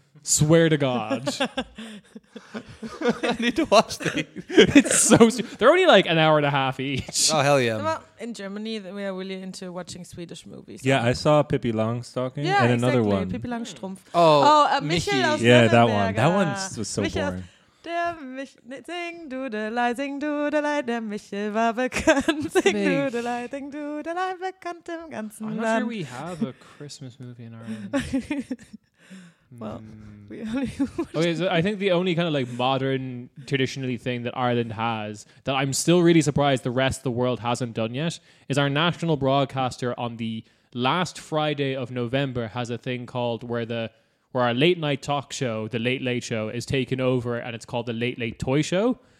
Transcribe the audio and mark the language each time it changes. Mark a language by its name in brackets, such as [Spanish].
[English] Swear to God. I need to watch these. It's so they're only like an hour and a half each. Oh, hell yeah. In Germany, we are really into watching Swedish movies. Yeah, I saw Pippi Langstocking and another one. [German] Pippi Langstrumpf. [English] Oh, Michi. Yeah, that one. That one was so boring. [German] Der Michel, sing dudelei, der Michel war bekannt, sing dudelei, bekannt im ganzen Land. [English] I'm not sure we have a Christmas movie in Ireland. Well, So I think the only kind of like modern, traditionally thing that Ireland has that I'm still really surprised the rest of the world hasn't done yet is our national broadcaster on the last Friday of November has a thing called where our late night talk show, The Late Late Show, is taken over and it's called The Late Late Toy Show.